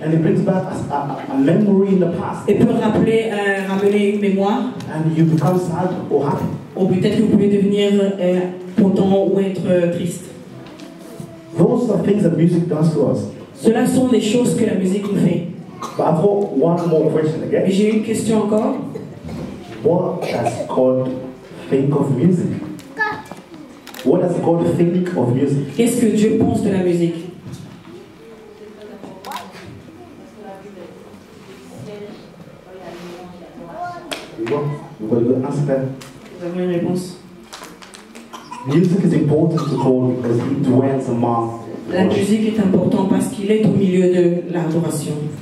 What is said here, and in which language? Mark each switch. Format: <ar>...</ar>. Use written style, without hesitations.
<en>And it brings back a memory in the past.</en> <fr>Et peut ramener une mémoire.</fr> <en>And you become sad or happy.</en> <fr>Ou peut-être que vous pouvez devenir content ou être triste.</fr> <en>Those are things that music does to us.</en> <fr>Cela sont des choses que la musique nous fait.</fr> <en>But I've got one more question again.</en> <fr>Mais j'ai une question encore.</fr> <en>What does God think of music? What does God think of music?</en> <fr>Qu'est-ce que Dieu pense de la musique?</fr> <en>We've got a good answer there. Music is important to God because He dwells among.</en> <fr>La musique est importante parce qu'il est au milieu de l'adoration.</fr>